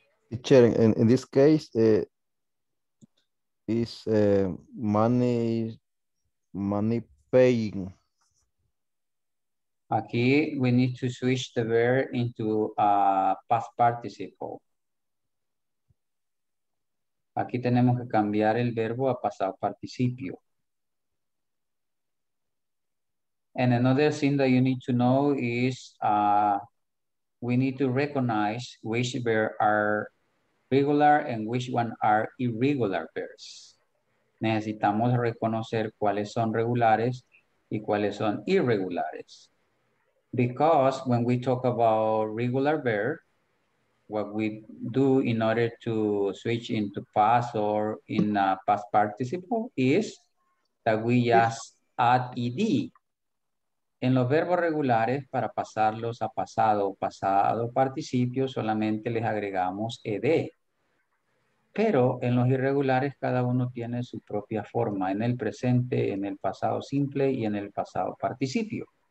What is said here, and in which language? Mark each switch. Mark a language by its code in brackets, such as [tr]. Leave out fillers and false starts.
[en] teacher, in this case, is money paying. Aquí we need to switch the verb into a past participle. [es] Aquí tenemos que cambiar el verbo a pasado participio. [en] And another thing that you need to know is we need to recognize which verbs are regular and which ones are irregular verbs. [es] Necesitamos reconocer cuáles son regulares y cuáles son irregulares. [en] Because when we talk about regular verb, what we do in order to switch into past or in a past participle is that we just add ed. [es] En los verbos regulares, para pasarlos a pasado o pasado participio, solamente les agregamos ed. Pero en los irregulares, cada uno tiene su propia forma, en el presente, en el pasado simple y en el pasado participio.